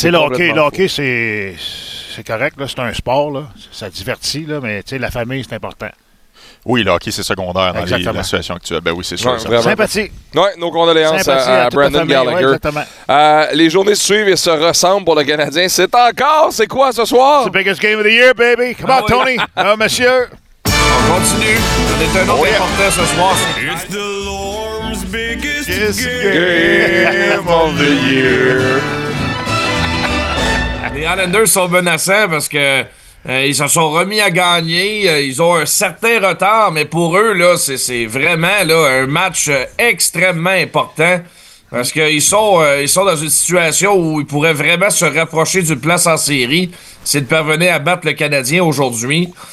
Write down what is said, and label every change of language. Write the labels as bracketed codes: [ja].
[fr] complètement fou. L'hockey, c'est correct. Là, c'est un sport. Là. Ça divertit. Là, mais tu sais, la famille, c'est important. Oui, le hockey, c'est secondaire dans la situation actuelle. Ben oui, c'est sûr. Sympathie. Oui, nos condoléances à Brendan Gallagher. Ouais, exactement. Les journées suivent et se ressemblent pour le Canadien. C'est quoi ce soir? C'est le [en] biggest game of the year, baby. Come on, Tony. [fr] monsieur. On continue. C'est un autre important ce soir. [en] It's the Lord's biggest game of the year. [fr] Les Islanders sont menaçants parce que ils se sont remis à gagner. Ils ont un certain retard, mais pour eux, là, c'est vraiment là, un match extrêmement important parce qu'ils sont dans une situation où ils pourraient vraiment se rapprocher d'une place en série s'ils parvenaient à battre le Canadien aujourd'hui.